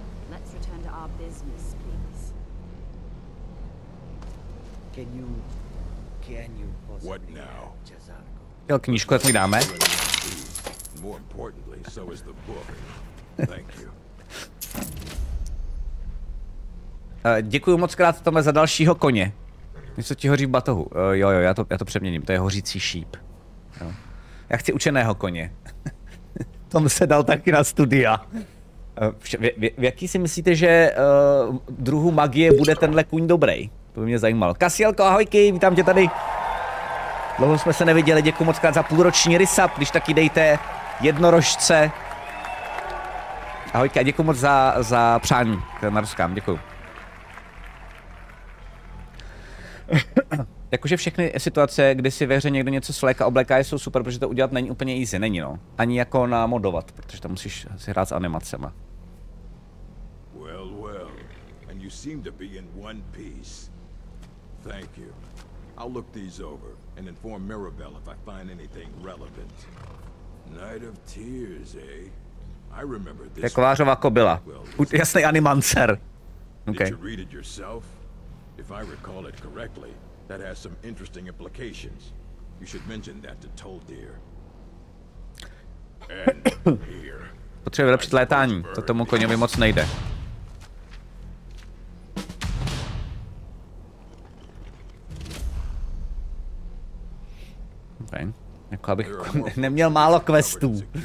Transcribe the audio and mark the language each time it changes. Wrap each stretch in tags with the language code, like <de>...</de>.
<en>Let's return to our business, please. Can you possibly... What now?</en> <cs>Jo, knížku, jak mi dáme?</cs> <en>More importantly, so is the book. Thank you.</en> <cs>Děkuju moc krát, Tome, za dalšího koně. Něco ti hoří v batohu. Jo, já to přeměním, to je hořící šíp. Jo. Já chci učeného koně. Tom se dal taky na studia. V jaký si myslíte, že druhu magie bude tenhle kuň dobrý? To by mě zajímalo. Kasielko, ahojky, vítám tě tady. Dlouho jsme se neviděli, děkuji moc krát za půlroční rysap, když taky dejte jednorožce. Ahojky a děkuji moc za přání k narozkám, děkuji. Jakože všechny situace, kdy si ve hře někdo něco slek a obleká, jsou super, protože to udělat není úplně easy, není no. Ani jako namodovat, protože tam musíš si hrát s animacema.</cs> <en>Well, and you seem to be in one piece. Thank you. I'll look these over and inform Mirabelle if I find anything relevant. Night of Tears, eh? I remember this.</en> <cs>Kovářová kobyla. Jasný animancer. Okay.</cs> <en>Did you read it yourself? If I recall it correctly. That has some interesting implications. You should mention that to Toldir. And here.</en> <cs>Potřebuje lepší létání. To tomu koněvi moc nejde. Okay. Jako abych neměl málo questů.</cs>